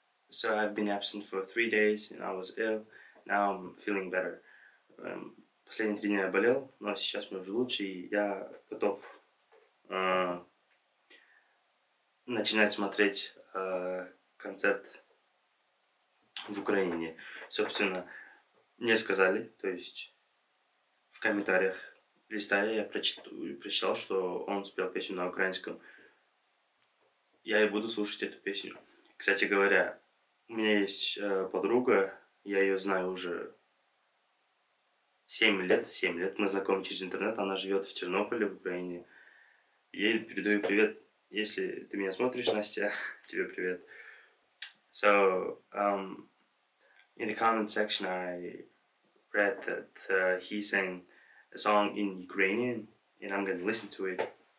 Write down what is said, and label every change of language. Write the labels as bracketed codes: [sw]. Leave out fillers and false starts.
[en] So I've been absent for 3 days and I was ill. Now I'm feeling better. [ru] Последние 3 дня я болел, но сейчас мне уже лучше, и я готов начинать смотреть концерт в Украине. Собственно, мне сказали, то есть в комментариях листая я прочитал, что он спел песню на украинском. Я и буду слушать эту песню. Кстати говоря, у меня есть подруга, я ее знаю уже 7 лет. Мы знакомы через интернет, она живет в Чернобыле, в Украине. Ей передаю привет, если ты меня смотришь, Настя, тебе привет. [en] So, in the comment section I read that he sang a song in Ukrainian, and I'm gonna listen to it.